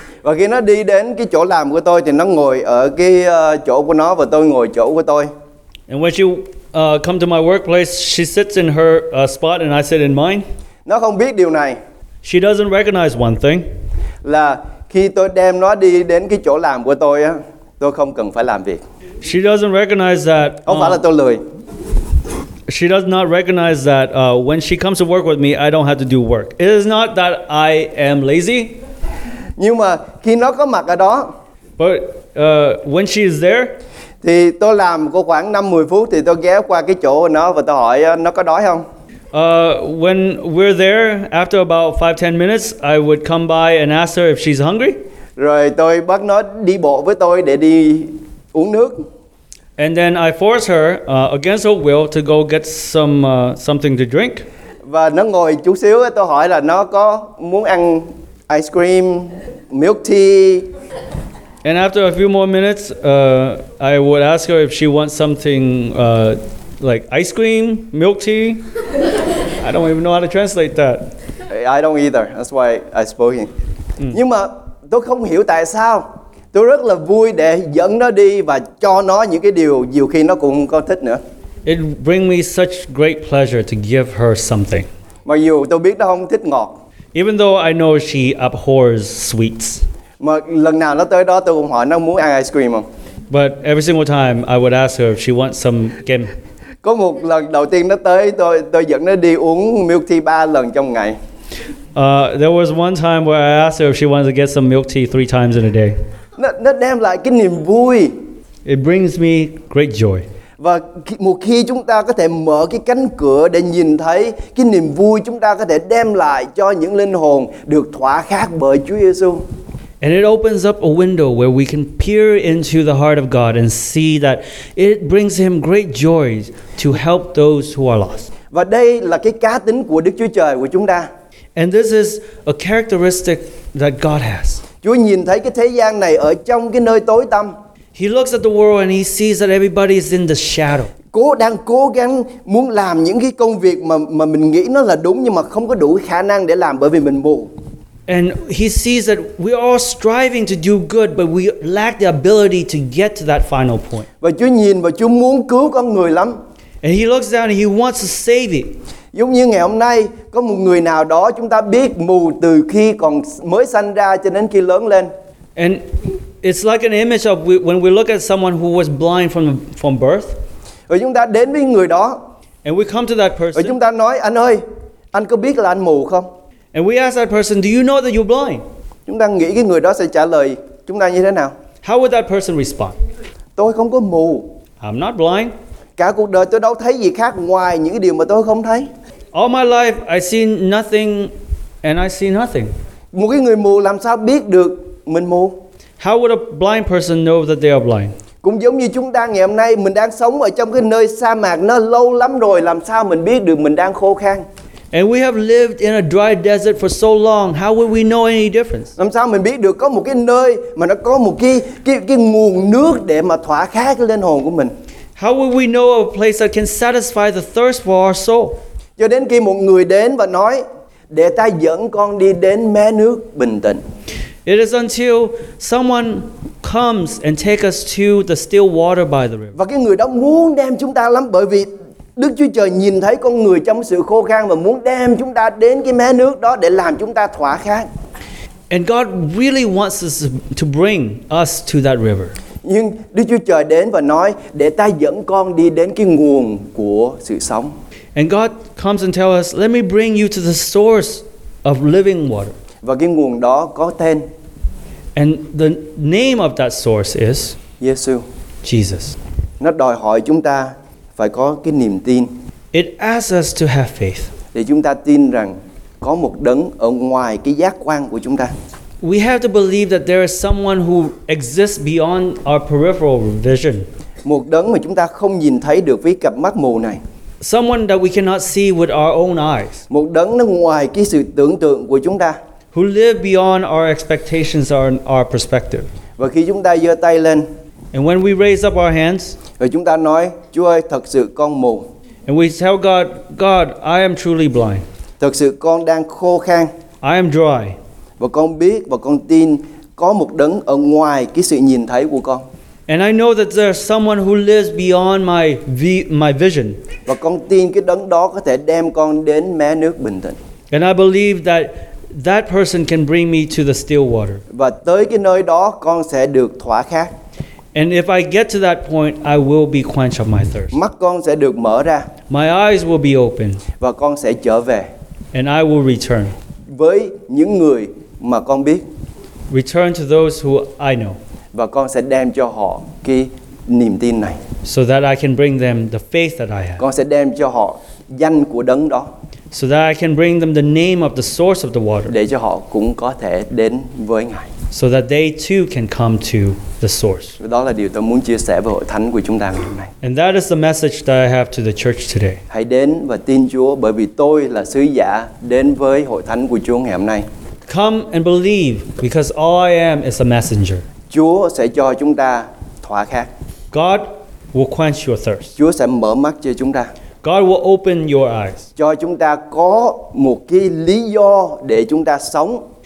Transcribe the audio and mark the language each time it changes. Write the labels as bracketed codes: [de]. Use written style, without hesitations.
[vi] Và khi nó đi đến cái chỗ làm của tôi thì nó ngồi ở cái chỗ của nó và tôi ngồi chỗ của tôi. [en] And when she come to my workplace, she sits in her spot and I sit in mine. [vi] Nó không biết điều này. [en] She doesn't recognize one thing. [vi] Là khi tôi đem nó đi đến cái chỗ làm của tôi á, tôi không cần phải làm việc. [en] She doesn't recognize that. [vi] Không phải là tôi lười. [en] She does not recognize that when she comes to work with me, I don't have to do work. It is not that I am lazy. [vi] Nhưng mà khi nó có mặt ở đó, [en] but when she is there, [vi] thì tôi làm có khoảng 5-10 phút thì tôi ghé qua cái chỗ của nó và tôi hỏi nó có đói không? [en] When we're there, after about 5-10 minutes, I would come by and ask her if she's hungry. [vi] Rồi tôi bắt nó đi bộ với tôi để đi uống nước. [en] And then I force her against her will to go get some something to drink. [vi] Và nó ngồi chút xíu, tôi hỏi là nó có muốn ăn ice cream, milk tea. [en] And after a few more minutes, I would ask her if she wants something like ice cream, milk tea. I don't even know how to translate that. I don't either. That's why I spoke in. [vi] Nhưng mà tôi không hiểu tại sao. Tôi rất là vui để dẫn nó đi và cho nó những cái điều nhiều khi nó cũng không có thích nữa. [en] It bring me such great pleasure to give her something. [vi] Mặc dù tôi biết nó không thích ngọt. [en] Even though I know she abhors sweets. [vi] Mà lần nào nó tới đó tôi cũng hỏi nó muốn ăn ice cream không? [en] But every single time I would ask her if she wants some kem. [vi] Có một lần đầu tiên nó tới tôi dẫn nó đi uống milk tea 3 lần trong ngày. [en] There was one time where I asked her if she wanted to get some milk tea 3 times in a day. [vi] Nó đem lại cái niềm vui. [en] It brings me great joy. [vi] Và một khi chúng ta có thể mở cái cánh cửa để nhìn thấy cái niềm vui chúng ta có thể đem lại cho những linh hồn được thỏa khát bởi Chúa Giêsu. [en] And it opens up a window where we can peer into the heart of God and see that it brings him great joy to help those who are lost. [vi] Và đây là cái cá tính của Đức Chúa Trời của chúng ta. [en] And this is a characteristic that God has. [vi] Chúa nhìn thấy cái thế gian này ở trong cái nơi tối tăm. [en] He looks at the world and he sees that everybody is in the shadow. [vi] Cố đang cố gắng muốn làm những cái công việc mà mình nghĩ nó là đúng nhưng mà không có đủ khả năng để làm bởi vì mình mù. [en] And he sees that we are striving to do good but we lack the ability to get to that final point. [vi] Và Chúa nhìn và Chúa muốn cứu con người lắm. [en] And he looks down and he wants to save it. [vi] Giống như ngày hôm nay có một người nào đó chúng ta biết mù từ khi còn mới sanh ra cho đến khi lớn lên. [en] And it's like an image of when we look at someone who was blind from birth. [vi] Rồi chúng ta đến với người đó. [en] And we come to that person. [vi] Rồi chúng ta nói anh ơi, anh có biết là anh mù không? [en] And we ask that person, do you know that you're blind? [vi] Chúng ta nghĩ cái người đó sẽ trả lời chúng ta như thế nào? [en] How would that person respond? [vi] Tôi không có mù. [en] I'm not blind. [vi] Cả cuộc đời tôi đâu thấy gì khác ngoài những điều mà tôi không thấy. [en] All my life I see nothing and I see nothing. [vi] Một cái người mù làm sao biết được mình mù? [en] How would a blind person know that they are blind? [vi] Cũng giống như chúng ta ngày hôm nay, mình đang sống ở trong cái nơi sa mạc nó lâu lắm rồi, làm sao mình biết được mình đang khô khan? [en] And we have lived in a dry desert for so long, how would we know any difference? [vi] Làm sao mình biết được có một cái nơi mà nó có một cái nguồn nước để mà thỏa khát cái linh hồn của mình? [en] How would we know of a place that can satisfy the thirst for our soul? [vi] Cho đến khi một người đến và nói, để ta dẫn con đi đến mé nước bình tĩnh. [en] It is until someone comes and take us to the still water by the river. [vi] Và cái người đó muốn đem chúng ta lắm bởi vì Đức Chúa Trời nhìn thấy con người trong sự khô khan và muốn đem chúng ta đến cái mé nước đó để làm chúng ta thỏa khát. [en] And God really wants us to bring us to that river. [vi] Nhưng Đức Chúa Trời đến và nói để ta dẫn con đi đến cái nguồn của sự sống. [en] And God comes and tells us, let me bring you to the source of living water. [vi] Và cái nguồn đó có tên. [en] And the name of that source is Jesus. Jesus. [vi] Nó đòi hỏi chúng ta phải có cái niềm tin. [en] It asks us to have faith. [vi] Để chúng ta tin rằng có một đấng ở ngoài cái giác quan của chúng ta. [en] We have to believe that there is someone who exists beyond our peripheral vision. [vi] Một đấng mà chúng ta không nhìn thấy được với cặp mắt mù này. [en] Someone that we cannot see with our own eyes. [vi] Một đấng nó ngoài cái sự tưởng tượng của chúng ta. [en] Who live beyond our expectations or our perspective. [vi] Và khi chúng ta giơ tay lên. [en] And when we raise up our hands. [vi] Rồi chúng ta nói, Chúa ơi, thật sự con mù. [en] And we tell God, God, I am truly blind. [vi] Thật sự con đang khô khan. [en] I am dry. [vi] Và con biết và con tin có một đấng ở ngoài cái sự nhìn thấy của con. [en] And I know that there's someone who lives beyond my vision. [vi] Và con tin cái đấng đó có thể đem con đến mé nước bình tĩnh. [en] And I believe that that person can bring me to the still water. [vi] Và tới cái nơi đó con sẽ được thỏa khát. [en] And if I get to that point, I will be quenched of my thirst. [vi] Mắt con sẽ được mở ra. [en] My eyes will be opened. [vi] Và con sẽ trở về. [en] And I will return. [vi] Với những người mà con biết. [en] Return to those who I know. [vi] Và con sẽ đem cho họ cái niềm tin này. [en] So that I can bring them the faith that I have. [vi] Con sẽ đem cho họ danh của đấng đó. [en] So that I can bring them the name of the source of the water. [vi] Để cho họ cũng có thể đến với Ngài. [en] So that they too can come to the source. [vi] Đó là điều tôi muốn chia sẻ với hội thánh của chúng ta ngày hôm nay. [en] And that is the message that I have to the church today. [vi] Hãy đến và tin Chúa bởi vì tôi là sứ giả đến với hội thánh của Chúa ngày hôm nay. [en] Come and believe because all I am is a messenger. [vi] Chúa sẽ cho chúng ta thỏa khát. [en] God will quench your thirst. [vi] Chúa sẽ mở mắt cho chúng ta. [en] God will open your eyes. [vi] Cho chúng ta có một cái lý do để chúng ta sống.